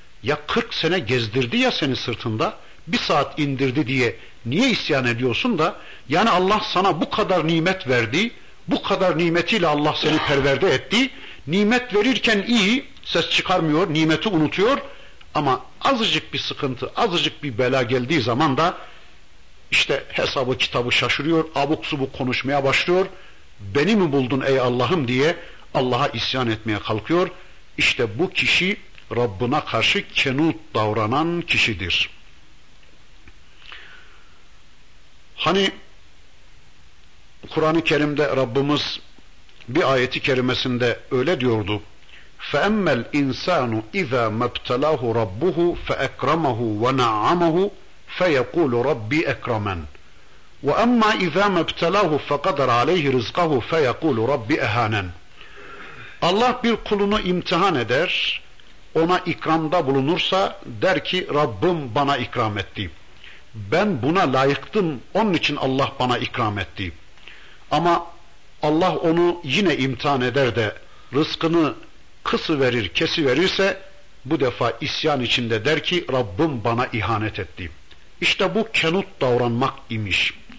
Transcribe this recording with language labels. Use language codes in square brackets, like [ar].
[tr] Ya 40 sene gezdirdi ya seni sırtında, bir saat indirdi diye niye isyan ediyorsun da, yani Allah sana bu kadar nimet verdi, bu kadar nimetiyle Allah seni perverde etti, nimet verirken iyi, ses çıkarmıyor, nimeti unutuyor ama azıcık bir sıkıntı, azıcık bir bela geldiği zaman da işte hesabı kitabı şaşırıyor, abuk subuk konuşmaya başlıyor, beni mi buldun ey Allah'ım diye Allah'a isyan etmeye kalkıyor. İşte bu kişi Rabbine karşı kenut davranan kişidir. Hani Kur'an-ı Kerim'de Rabbimiz bir ayeti kerimesinde öyle diyordu: [ar] فَاَمَّا الْاِنْسَانُ اِذَا مَبْتَلَاهُ رَبُّهُ فَاَكْرَمَهُ وَنَعَّمَهُ فَيَقُولُ رَبِّي اَكْرَمَنْ وَاَمَّا اِذَا مَبْتَلَاهُ فَقَدَرْ عَلَيْهِ رِزْقَهُ فَيَقُولُ رَبِّي اَهَانَنْ. [tr] Allah bir kulunu imtihan eder, ona ikramda bulunursa der ki Rabbim bana ikram etti, ben buna layıktım, onun için Allah bana ikram etti. Ama Allah onu yine imtihan eder de rızkını kısıverir, kesiverirse bu defa isyan içinde der ki Rabbim bana ihanet etti. İşte bu kenut davranmak imiş.